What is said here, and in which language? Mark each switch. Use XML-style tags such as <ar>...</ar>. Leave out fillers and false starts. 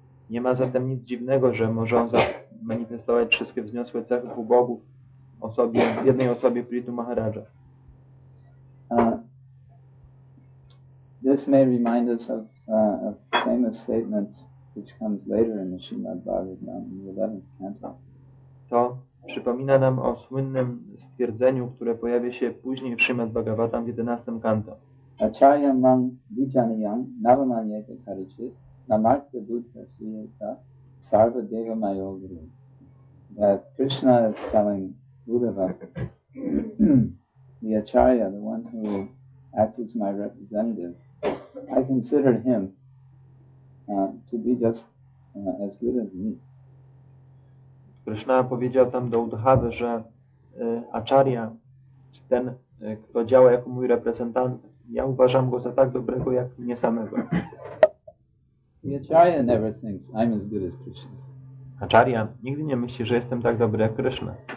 <pl>Nie ma zatem nic dziwnego, że może on zamanifestować wszystkie wzniosłe cechy półbogów osobie, jednej osobie Pritu Maharaja.</pl> <en>This may remind us of a famous statement which comes later in the Srimad Bhagavatam in the 11th canto.</en> <pl>To przypomina nam o słynnym stwierdzeniu, które pojawia się później w Srimad Bhagavatam w 11 canto.</pl> <sa>Acharya mang vijaniyam navamanyeta karichit namartya buddha siyeta sarva deva mayoguru.</sa> <en>That Krishna is telling Buddha, the Acharya, the one who acts as my representative, I consider him to be just as good as me.</en> <pl>Krishna powiedział tam do Uddhavy, że Acharya, ten, kto działa jako mój reprezentant, ja uważam go za tak dobrego jak mnie samego.</pl> <en>The Acharya never thinks I'm as good as Krishna.</en> <pl>Acharya nigdy nie myśli, że jestem tak dobry jak Krishna.</pl>